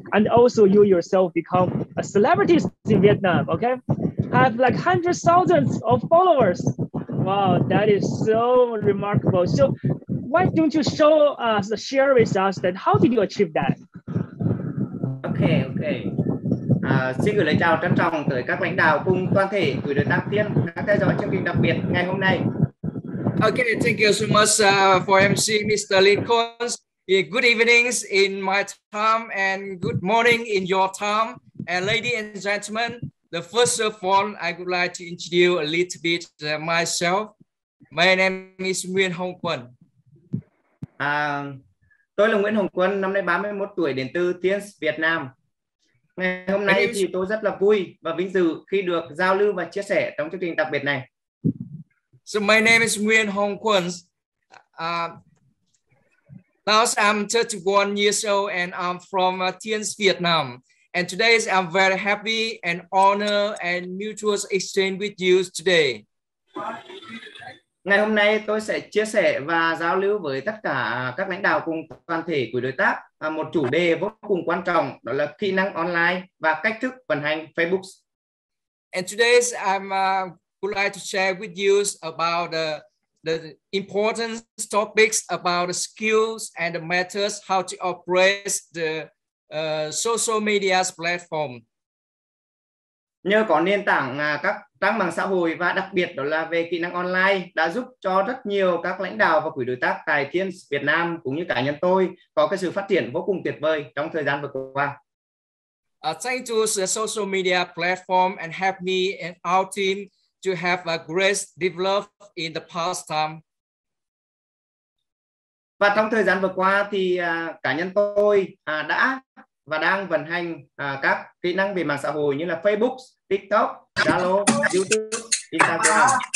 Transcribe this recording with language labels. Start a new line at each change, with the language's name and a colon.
English: And also you yourself become a celebrity in Vietnam, okay? Have like hundreds of thousands of followers. Wow, that is so remarkable. So why don't you show us, share with us that how did you achieve that? Okay, okay.
Vietnamese: Xin gửi lời chào trân trọng tới các lãnh đạo cùng toàn thể gửi đến đăng tiên đang theo dõi chương trình đặc biệt ngày hôm nay.
English: Okay, thank you so much for MC Mr. Lee Kunz. Good evenings in my time and good morning in your time. And ladies and gentlemen, the first of all, I would like to introduce a little bit myself. My name is Nguyễn Hồng Quân.
Vietnamese: Tôi là Nguyễn Hồng Quân, năm nay 31 tuổi, đến từ Tiens, Việt Nam. Ngày hôm nay thì tôi rất là vui và vinh dự khi được giao lưu và chia sẻ trong chương trình đặc biệt này.
English: So my name is Nguyễn Hồng Quân. Now I'm 31 years old and I'm from Tiens, Vietnam. And today I'm very happy and honored and mutual exchange with you today.
Vietnamese: Ngày hôm nay tôi sẽ chia sẻ và giao lưu với tất cả các lãnh đạo cùng toàn thể của đối tác một chủ đề vô cùng quan trọng, đó là kỹ năng online và cách thức vận hành Facebook.
English: And today I'm would like to share with you about the important topics about the skills and the methods how to operate the social media platform.
Vietnamese: Nhờ có nền tảng các trang mạng xã hội và đặc biệt đó là về kỹ năng online đã giúp cho rất nhiều các lãnh đạo và quỹ đối tác tại Tiens Việt Nam cũng như cá nhân tôi có cái sự phát triển vô cùng tuyệt vời trong thời gian vừa qua.
English: Thanks to the social media platform and help me and our team to have a great develop in the past time.
Vietnamese: Và trong thời gian vừa qua thì cá nhân tôi đã và đang vận hành các kỹ năng về mạng xã hội như là Facebook, TikTok, Zalo, YouTube, Instagram.